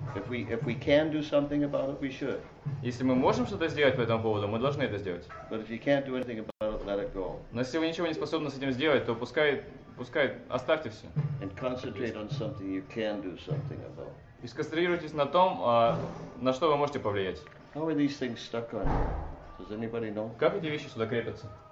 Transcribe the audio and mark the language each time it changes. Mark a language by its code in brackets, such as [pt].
[en] If we can do something about it, we should. [ru] Если мы можем что-то сделать по этому поводу, мы должны это сделать. [en] But if you can't do anything about it, let it go. [ru] Но если вы ничего не способны с этим сделать, то пускай оставьте все. [en] And concentrate on something you can do something about. [ru] И сконцентрируйтесь на том, на что вы можете повлиять. [en] How are these things stuck on? Does anybody know? [ru] Как эти вещи сюда крепятся?